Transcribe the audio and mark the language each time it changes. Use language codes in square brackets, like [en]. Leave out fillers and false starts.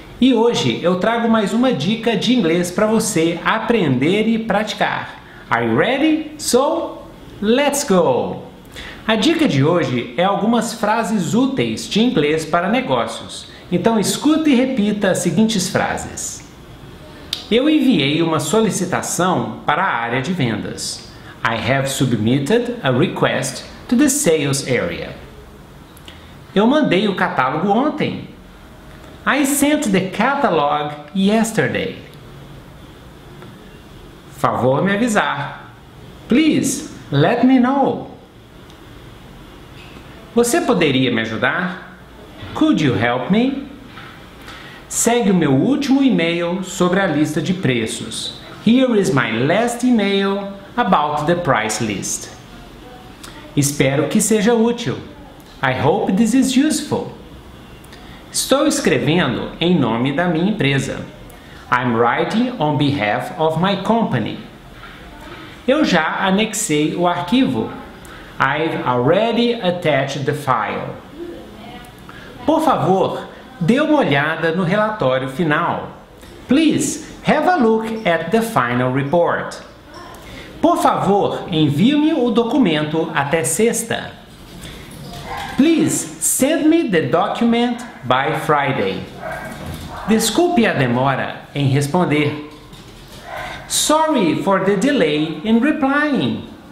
[pt] E hoje eu trago mais uma dica de inglês para você aprender e praticar. [en] Are you ready? So, let's go! [pt] A dica de hoje é algumas frases úteis de inglês para negócios. Então escuta e repita as seguintes frases. Eu enviei uma solicitação para a área de vendas. [en] I have submitted a request to the sales area. [pt] Eu mandei o catálogo ontem. [en] I sent the catalog yesterday. [pt] Favor me avisar. [en] Please let me know. [pt] Você poderia me ajudar? [en] Could you help me? [pt] Segue o meu último e-mail sobre a lista de preços. [en] Here is my last email about the price list. [pt] Espero que seja útil. [en] I hope this is useful. [pt] Estou escrevendo em nome da minha empresa. [en] I'm writing on behalf of my company. [pt] Eu já anexei o arquivo. [en] I've already attached the file. [pt] Por favor, dê uma olhada no relatório final. [en] Please, have a look at the final report. [pt] Por favor, envie-me o documento até sexta. [en] Please, send me the document by Friday. [pt] Desculpe a demora em responder. [en] Sorry for the delay in replying.